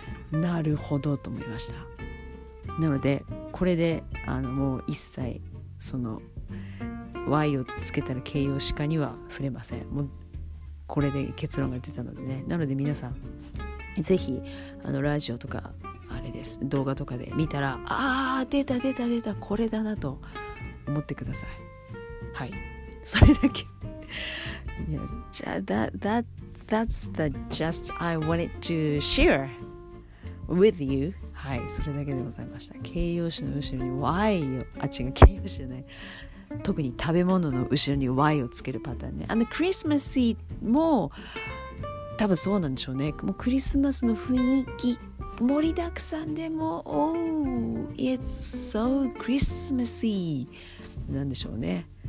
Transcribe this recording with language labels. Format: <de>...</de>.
<ja>なるほどと思いました。なのでこれであのもう一切その Y をつけたら形容詞化には触れません。もうこれで結論が出たのでね。なので皆さんぜひあのラジオとかあれです、動画とかで見たら、あー出た出た出た、これだなと思ってください。はい、それだけ。いや、じゃあ</ja> <en>that's the just I wanted to share with you。</en> <ja>はい、それだけでございました。形容詞の後ろに Y を、あ違う、形容詞じゃない、特に食べ物の後ろに Y をつけるパターンね。あのクリスマスも多分そうなんでしょうね。もうクリスマスの雰囲気盛りだくさんでも、</ja> <en>Oh it's so Christmassy</en> <ja>なんでしょうね。</ja>